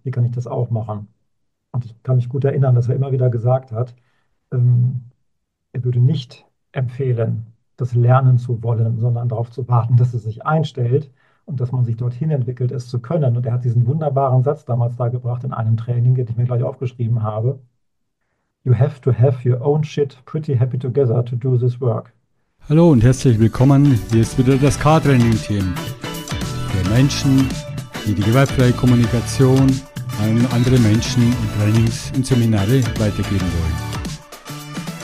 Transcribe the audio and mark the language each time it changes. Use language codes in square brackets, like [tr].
[de] Wie kann ich das auch machen? Und ich kann mich gut erinnern, dass er immer wieder gesagt hat, er würde nicht empfehlen, das lernen zu wollen, sondern darauf zu warten, dass es sich einstellt und dass man sich dorthin entwickelt, es zu können. Und er hat diesen wunderbaren Satz damals da gebracht in einem Training, den ich mir gleich aufgeschrieben habe. [en] You have to have your own shit pretty happy together to do this work. [de] Hallo und herzlich willkommen. Hier ist wieder das K-Training-Team. Für Menschen, die die gewaltfreie Kommunikation an andere Menschen in Trainings und Seminare weitergeben wollen.